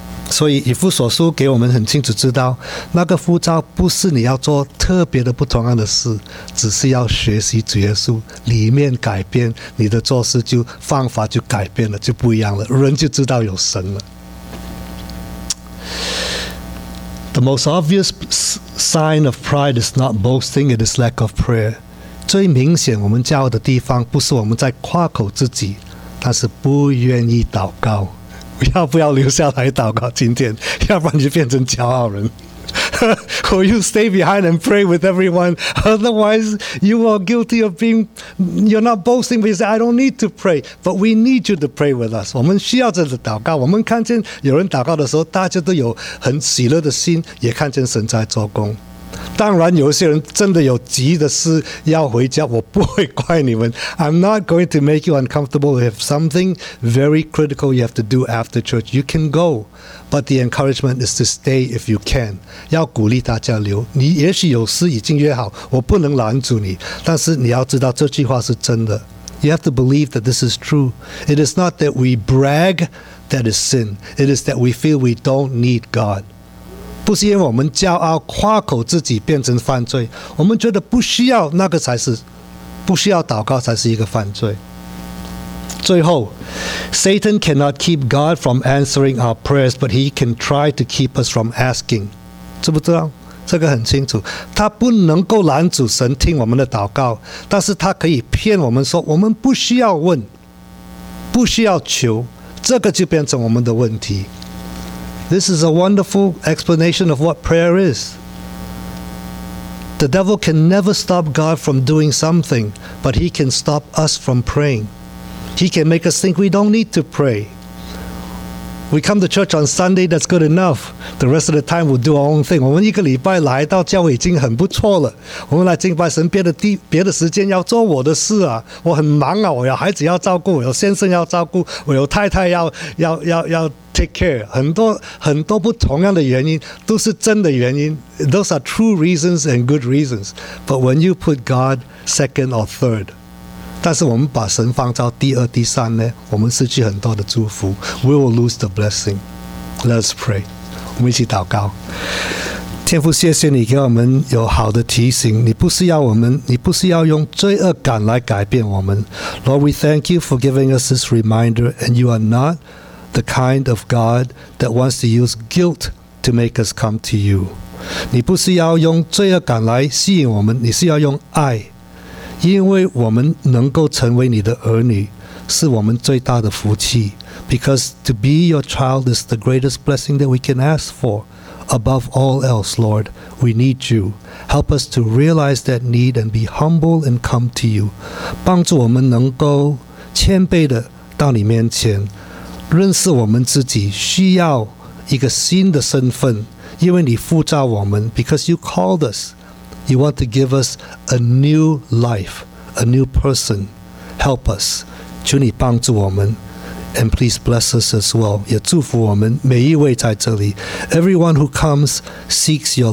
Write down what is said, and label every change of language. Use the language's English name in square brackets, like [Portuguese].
[Chinese] 所以以弗所书给我们很清楚知道，那个呼召不是你要做特别的不同样的事，只是要学习主耶稣，里面改变你的做事就方法就改变了，就不一样了，人就知道有神了。 [English] The most obvious sign of pride is not boasting; it is lack of prayer. [Chinese] 最明显我们骄傲的地方不是我们在夸口自己，但是不愿意祷告。要不要留下来祷告今天要不然你就变成骄傲人 [English] who you stay behind and pray with everyone. Otherwise, you are guilty of being, you're not boasting, but you say, I don't need to pray, but we need you to pray with us. [Chinese] 我们需要这个祷告。我们看见有人祷告的时候，大家都有很喜乐的心，也看见神在做工。当然有些人真的有急的事要回家，我不会怪你们。 [English] I'm not going to make you uncomfortable. If something very critical you have to do after church, you can go. But the encouragement is to stay if you can. [Chinese] 要鼓励大家留，你也许有事已经约好，我不能拦阻你，但是你要知道这句话是真的。 [English] You have to believe that this is true. It is not that we brag that is sin. It is that we feel we don't need God. [Chinese] 不是因为我们骄傲夸口自己变成犯罪，我们觉得不需要，那个才是不需要祷告才是一个犯罪。最后， [English] Satan cannot keep God from answering our prayers, but he can try to keep us from asking. [Chinese] 知不知道？这个很清楚，他不能够拦阻神听我们的祷告，但是他可以骗我们说我们不需要问，不需要求，这个就变成我们的问题。 [English] This is a wonderful explanation of what prayer is. The devil can never stop God from doing something, but he can stop us from praying. He can make us think we don't need to pray. We come to church on Sunday, that's good enough. The rest of the time, we'll do our own thing. [Chinese] 我们一个礼拜来到教会已经很不错了。我们来敬拜神，别的时间要做我的事啊。我很忙啊，我有孩子要照顾，我有先生要照顾，我有太太要 [English] take care。 [Chinese] 很多很多不同样的原因，都是真的原因。 [English] Those are true reasons and good reasons. But when you put God second or third. [Chinese] 但是我们把神放到第二第三呢，我们失去很多的祝福。 [English] We will lose the blessing. Let's pray. [Chinese] 我们一起祷告。天父，谢谢你给我们有好的提醒，你不是要用罪恶感来改变我们。 [English] Lord, we thank you for giving us this reminder, and you are not the kind of God that wants to use guilt to make us come to you. [Chinese] 你不是要用罪恶感来吸引我们，你是要用爱，因为我们能够成为你的儿女是我们最大的福气。 [English] Because to be your child is the greatest blessing that we can ask for. Above all else, Lord, we need you. Help us to realize that need and be humble and come to you. [Chinese] 帮助我们能够谦卑的到你面前，认识我们自己需要一个新的身份，因为你呼召我们。 [English] Because you called us,You want to give us a new life, a new person. Help us. [Chinese] 求你帮助我们。 [English] And please bless us as well. [Chinese] 也祝福我们每一位在这里。 [English] Everyone who comes seeks your life.